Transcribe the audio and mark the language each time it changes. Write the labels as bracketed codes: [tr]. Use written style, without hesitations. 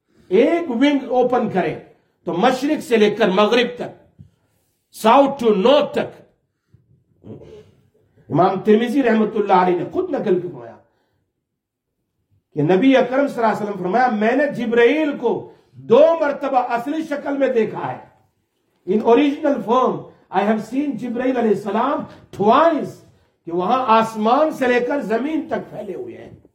[ur] ایک wing open کرے تو مشرق سے لے کر مغرب تک, [en] south to north [ur] تک. امام ترمذی رحمت اللہ علیہ نے خود نقل فرمایا کہ نبی اکرم صلی اللہ علیہ وسلم فرمایا, میں نے جبرائیل کو دو مرتبہ اصلی شکل میں دیکھا ہے. [en] In original form I have seen Jibreel alayhi salam twice. [ur] کہ وہاں آسمان سے لے کر زمین تک پھیلے ہوئے ہیں.